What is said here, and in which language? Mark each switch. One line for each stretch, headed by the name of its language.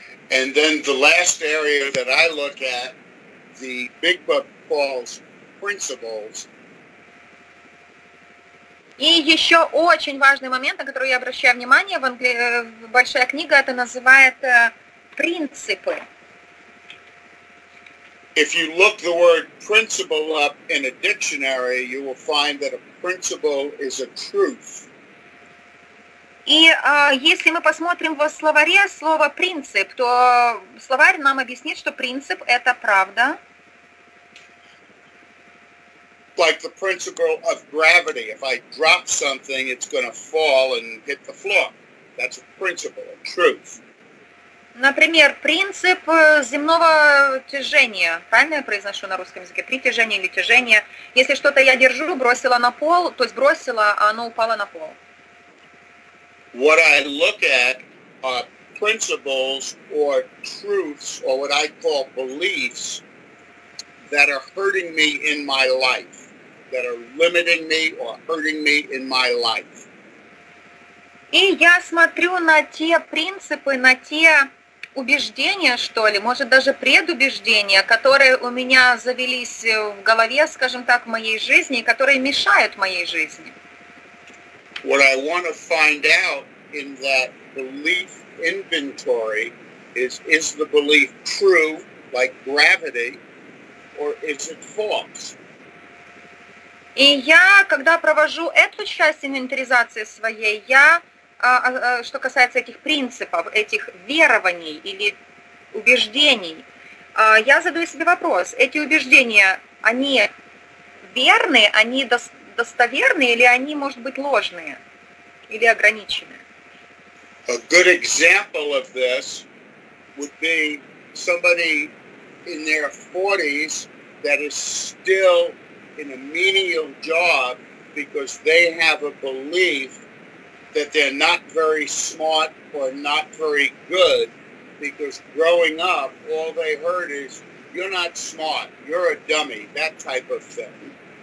English: And then the last area that I look at, the Big Book calls principles.
Russian: И еще очень важный момент, на который я обращаю внимание, в большая книга это называет принципы.
English: If you look the word principle up in a dictionary, you will find that a principle is a truth.
Russian: И если мы посмотрим в словаре слово принцип, то словарь нам объяснит, что принцип это правда.
English: Like the principle of gravity. If I drop something, it's going to fall and hit the floor. That's a principle, a truth.
Russian: Например, принцип земного тяжения. Правильно я произношу на русском языке? Притяжение или тяжение. Если что-то я держу, бросила на пол, то сбросила, а оно упало на пол.
English: What I look at are principles or truths or what I call beliefs that are hurting me in my life. That are limiting me or hurting me in my life.
Russian: И я смотрю на те принципы, на те убеждения, что ли, может даже предубеждения, которые у меня завелись в голове, скажем так, в моей жизни, которые мешают моей жизни.
English: What I want to find out in that belief inventory is the belief true, like gravity, or is it false?
Russian: И я, когда провожу эту часть инвентаризации своей, я, что касается этих принципов, этих верований или убеждений, я задаю себе вопрос, эти убеждения, они верны, они достоверны, или они, может быть, ложные или ограничены?
English: A good example of this would be somebody in their 40s that is still in a menial job because they have a belief that they're not very smart or not very good, because growing up, all they heard is, you're not smart, you're a dummy, that type of thing.